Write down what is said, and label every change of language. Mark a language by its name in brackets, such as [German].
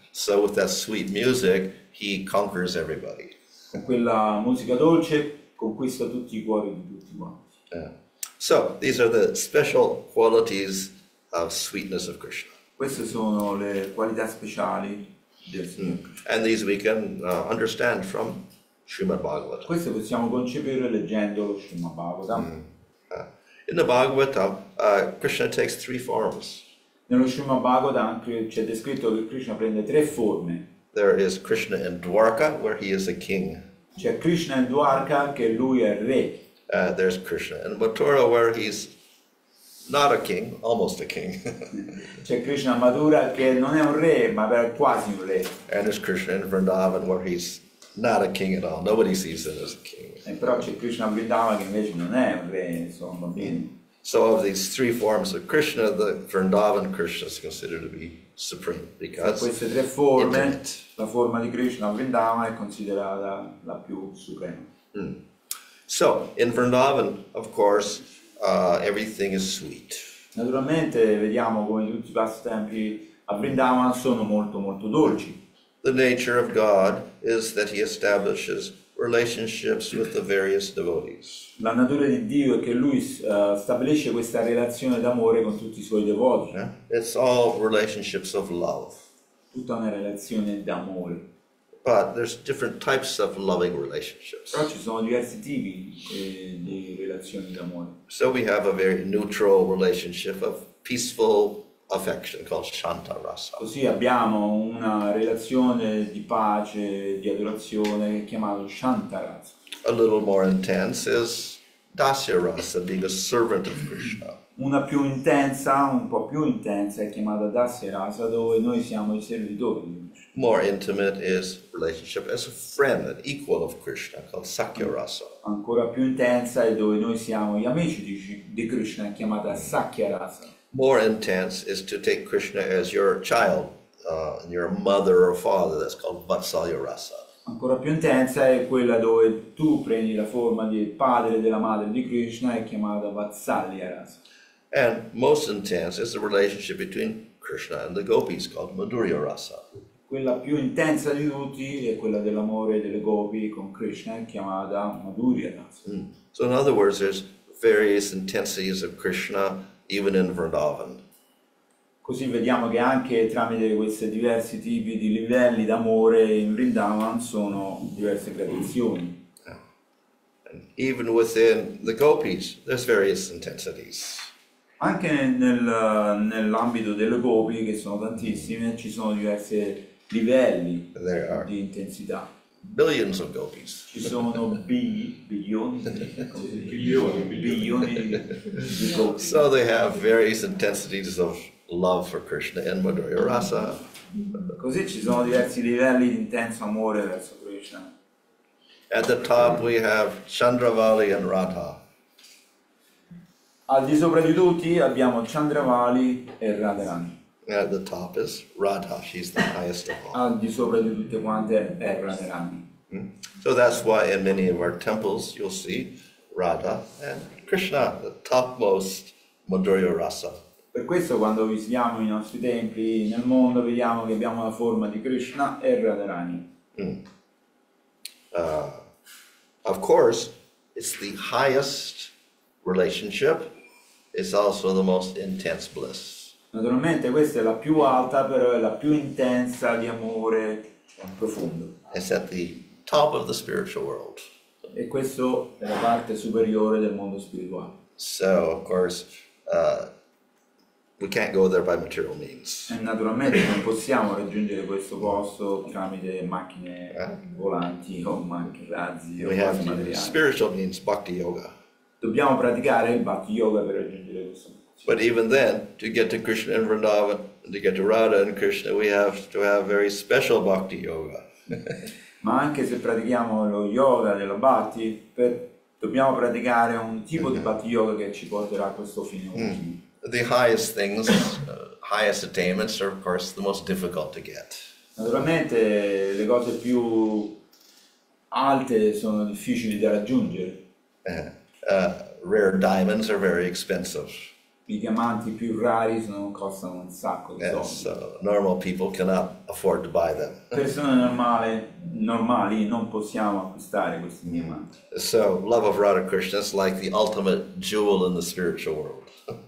[English] So with that sweet music, he conquers everybody. [Italian] Con quella musica dolce conquista tutti i cuori di tutti quanti. Yeah. [English] So these are the special qualities of sweetness of Krishna. [Italian] Queste sono le qualità speciali. [English] And these we can understand from Srimad Bhagavatam. [Italian] Questo possiamo concepire leggendo Srimad Bhagavatam. Mm. [English] In the Bhagavatam, Krishna takes three forms. [Italian] Nello Srimad Bhagavatam c'è descritto che Krishna prende tre forme. [English] There is Krishna in Dwarka, where he is a king. [Italian] C'è Krishna in Dwarka, che lui è re. [English] There's Krishna in Mathura, where he's not a king, almost a king. [Italian] C'è Krishna Madura che non è un re, ma è quasi un re. [English] And there's Krishna in Vrindavan where he's not a king at all. Nobody sees him as a king. [Italian] E però c'è Krishna Vrindavan che invece non è un re, insomma. Mm. [English] So of these three forms of Krishna, the Vrindavan Krishna is considered to be supreme because [Italian] queste tre forme, la forma di Krishna Vrindavan è considerata la più suprema. Mm. [English] So in Vrindavan, of course. Everything is sweet. [Italian] Naturalmente vediamo come tutti i passi tempi a Vrindavan sono molto molto dolci. [English] The nature of God is that he establishes relationships with the various devotees. [Italian] La natura di Dio è che lui stabilisce questa relazione d'amore con tutti i suoi devoti. [English] It's all relationships of love. [Italian] Tutta una relazione d'amore. [English] But there's different types of loving relationships. [Italian] Però ci sono diversi tipi di relazioni d'amore. [English] So we have a very neutral relationship of peaceful affection called Shanta Rasa. [Italian] Così abbiamo una relazione di pace, di adorazione chiamata Shanta Rasa. [English] A little more intense is Dasya Rasa, being a servant of Krishna. [Italian] Una più intensa, un po' più intensa è chiamata Dasya Rasa, dove noi siamo i servitori. [English] More intimate is relationship as a friend, an equal of Krishna, called Sakya Rasa. [Italian] Ancora più intensa è dove noi siamo gli amici di Krishna, chiamata Sakya Rasa. [English] More intense is to take Krishna as your child, your mother or father, that's called Vatsalya Rasa. [Italian] Ancora più intensa è quella dove tu prendi la forma del padre e della madre di Krishna, è chiamata Vatsalya Rasa. [English] And most intense is the relationship between Krishna and the gopis, called Madhurya Rasa. [Italian] Quella più intensa di tutti è quella dell'amore delle gopi con Krishna, chiamata Madhurya Rasa. Mm. [English] So in other words, there's various intensities of Krishna, even in Vrindavan. [Italian] Così vediamo che anche tramite questi diversi tipi di livelli d'amore in Vrindavan sono diverse gradazioni. [English] Yeah. Even within the gopis, there's various intensities. [Italian] Anche nell'ambito delle gopi, che sono tantissime, ci sono diversi livelli [English] There are [Italian] di intensità. [English] billions of gopis. [Italian] Ci sono Billioni di gopi. [English] So they have various intensities of love for Krishna and Madhurya Rasa. [Italian] Così ci sono diversi livelli di intenso amore verso Krishna. [English] At the top we have Chandravali and Radha. [Italian] Al di sopra di tutti abbiamo Chandravali e Radharani. [English] At the top is Radha, she's the highest of all. [Italian] Al di sopra di tutte quante è Radharani. [English] So that's why in many of our temples you'll see Radha and Krishna, the topmost Madhurya Rasa. [Italian] Per questo quando visitiamo i nostri templi nel mondo vediamo che abbiamo la forma di Krishna e Radharani. [English] Of course, it's the highest relationship, it's also the most intense bliss. [Italian] Naturalmente questa è la più alta, però è la più intensa di amore profondo. [English] It's at the top of the spiritual world. [Italian] E questo è la parte superiore del mondo spirituale. [English] So, of course, we can't go there by material means. [Italian] E naturalmente non possiamo raggiungere questo posto tramite macchine volanti o anche razzi o [English] We have spiritual means, bhakti yoga. [Italian] Dobbiamo praticare il bhakti yoga per raggiungere questo posto. [English] But even then, to get to Krishna and Vrindavan, to get to Radha and Krishna, we have to have very special bhakti yoga. [Italian] Ma anche se pratichiamo lo yoga della bhakti, dobbiamo praticare un tipo di bhakti yoga che ci porterà a questo fine. [English] The highest things, highest attainments are of course the most difficult to get. [Italian] Naturalmente le cose più alte sono difficili da raggiungere. [English] Rare diamonds are very expensive. [Italian] I diamanti più rari sono, costano un sacco di soldi. [English] So normal people cannot afford to buy them. [Italian] Persone normali, normali non possiamo acquistare questi diamanti. [English] So love of Radha Krishna is like the ultimate jewel in the spiritual world.